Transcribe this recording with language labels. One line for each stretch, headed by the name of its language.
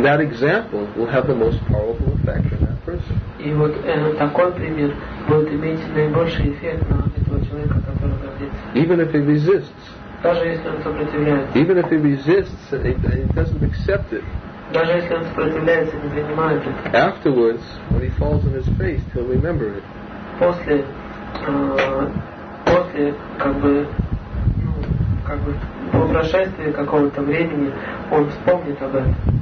English: And that example will have the most powerful effect on that person.
Russian: И вот такой пример будет иметь наибольший эффект на этого человека, который гордится.
English: Even if he resists.
Russian: Даже если он сопротивляется.
English: Even if he resists and he doesn't accept it.
Russian: Даже если он сопротивляется и не принимает это.
English: Afterwards, when he falls on his face, he'll remember it.
Russian: После, как бы, как бы по прошествии какого-то времени он вспомнит об этом.